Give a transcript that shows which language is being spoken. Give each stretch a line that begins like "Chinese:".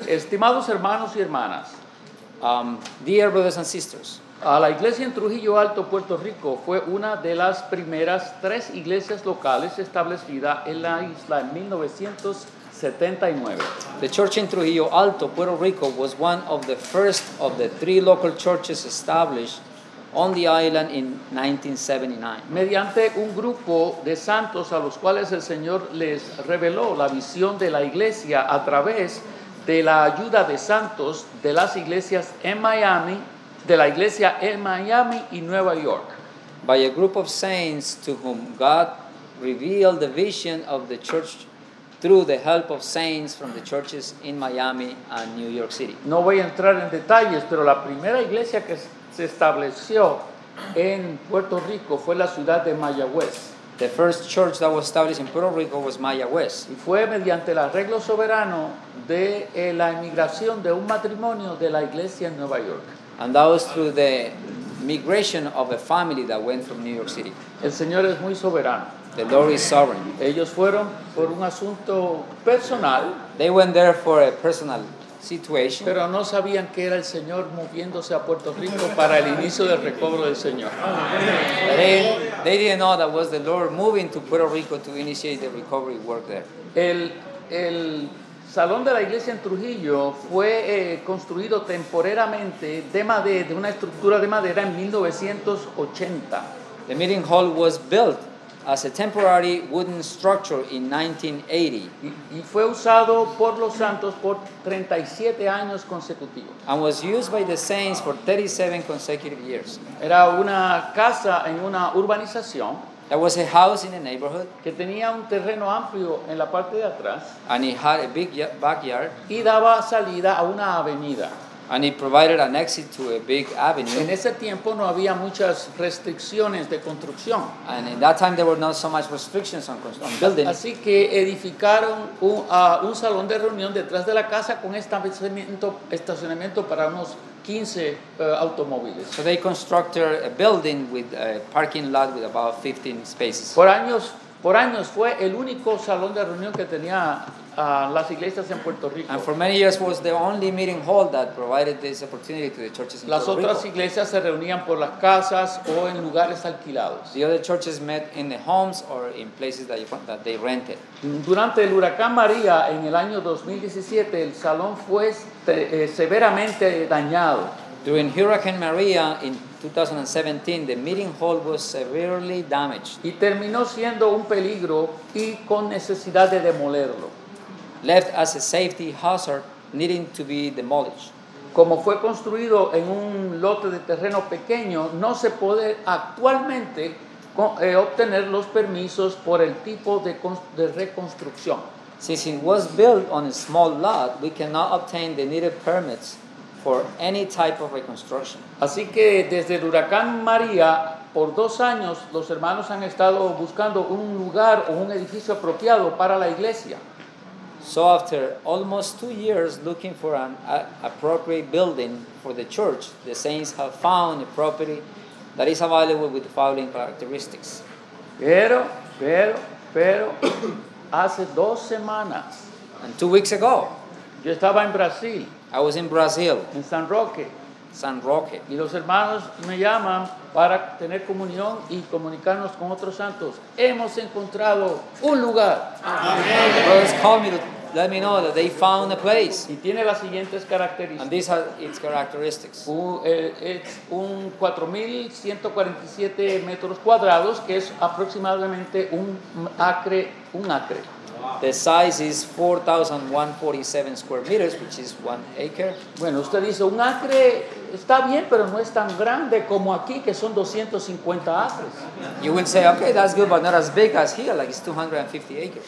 Spanish: Estimados hermanos y hermanas.
English: Dear brothers and sisters.
Spanish: A la iglesia en Trujillo Alto, Puerto Rico, fue una de las primeras tres iglesias locales establecidas en la isla en 1979.
English: The church in Trujillo Alto, Puerto Rico, was one of the first of the three local churches established on the island in 1979.
Spanish: Mediante un grupo de santos a los cuales el Señor les reveló la visión de la iglesia a través de la ayuda de santos de las iglesias en Miami, de la iglesia en Miami y Nueva York.
English: By a group of saints to whom God revealed the vision of the church through the help of saints from the churches in Miami and New York City.
Spanish: No voy a entrar en detalles, pero la primera iglesia que se estableció en Puerto Rico fue la ciudad de Mayagüez.
English: The first church that was established in Puerto Rico was Mayagüez.
Spanish: Y fue mediante el arreglo soberano de la emigración de un matrimonio de la iglesia en Nueva York.
English: And that was through the migration of a family that went from New York City.
Spanish: El Señor es muy soberano.
English: The Lord is sovereign.
Spanish: Ellos fueron por un asunto personal.
English: They went there for a personal situation.
Spanish: Pero no sabían que era el Señor moviéndose a Puerto Rico para el inicio del recobro del Señor.
English: They didn't know that was the Lord moving to Puerto Rico to initiate the recovery work there.
Spanish: El Salón de la Iglesia en Trujillo fue construido temporariamente de una estructura de madera en 1980.
English: The meeting hall was built as a temporary wooden structure in 1980.
Spanish: Y fue usado por los santos por 37 años consecutivos.
English: And was used by the saints for 37 consecutive years.
Spanish: Era una casa en una urbanización.
English: There was a house in a neighborhood.
Spanish: Que tenía un terreno amplio en la parte de atrás.
English: And it had a big backyard.
Spanish: Y daba salida a una avenida.
English: And it provided an exit to a big avenue.
Spanish: En ese tiempo no había muchas restricciones de construcción.
English: And in that time there were not so much restrictions on building.
Spanish: Así que edificaron un salón de reunión detrás de la casa con estacionamiento para unos 15 automóviles.
English: So they constructed a building with a parking lot with about 15 spaces.
Spanish: Por años fue el único salón de reunión que tenía las iglesias en Puerto Rico.
English: And for many years was the only meeting hall that provided this opportunity to the churches in
Spanish: las
English: Puerto
Spanish: otras
English: Rico.
Spanish: Iglesias se reunían por las casas o en lugares alquilados.
English: The other churches met in the homes or in places that they rented.
Spanish: Durante el huracán María en el año 2017 el salón fue severamente dañado.
English: During Hurricane Maria in 2017, the meeting hall was severely damaged.
Spanish: Y terminó siendo un peligro y con necesidad de demolerlo.
English: Left as a safety hazard, needing to be demolished.
Spanish: Como fue construido en un lote de terreno pequeño, no se puede actualmente obtener los permisos por el tipo de reconstrucción.
English: Since it was built on a small lot, we cannot obtain the needed permits for any type of reconstruction.
Spanish: Así que desde el huracán María, por 2 años, los hermanos han estado buscando un lugar o un edificio apropiado para la iglesia.
English: So after almost 2 years looking for an appropriate building for the church, the saints have found a property that is available with the following characteristics.
Spanish: Pero, hace 2 semanas.
English: And 2 weeks ago.
Spanish: Yo estaba en Brasil.
English: I was in Brazil.
Spanish: En San Roque.
English: San Roque.
Spanish: Y los hermanos me llaman para tener comunión y comunicarnos con otros santos. Hemos encontrado un lugar. Amen.
English: Brothers call me to let me know that they found a place.
Spanish: Y tiene las siguientes características.
English: And these are its characteristics. It's
Spanish: 4,147 metros cuadrados, que es aproximadamente un acre.
English: The size is 4,147 square meters, which is 1 acre.
Spanish: Bueno, usted dice, un acre está bien, pero no es tan grande como aquí, que son 250 acres.
English: You will say, okay, that's good, but not as big as here, like it's 250 acres.